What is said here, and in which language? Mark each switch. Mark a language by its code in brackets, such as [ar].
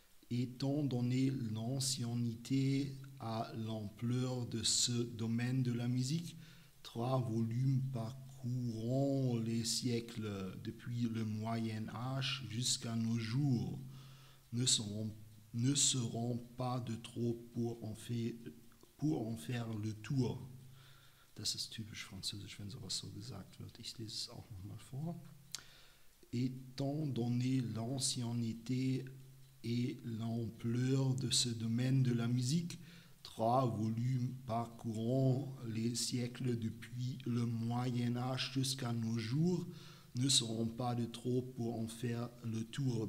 [fr] Étant donné l'ancienneté à l'ampleur de ce domaine de la musique, trois volumes parcourront les siècles depuis le Moyen Âge jusqu'à nos jours ne seront pas de trop pour en faire le tour. [de] Das ist typisch französisch, wenn sowas so gesagt wird. Ich lese es auch nochmal vor. [fr] Étant donné l'ancienneté et l'ampleur de ce domaine de la musique, trois volumes parcourant les siècles depuis le Moyen Âge jusqu'à nos jours ne seront pas de trop pour en faire le tour.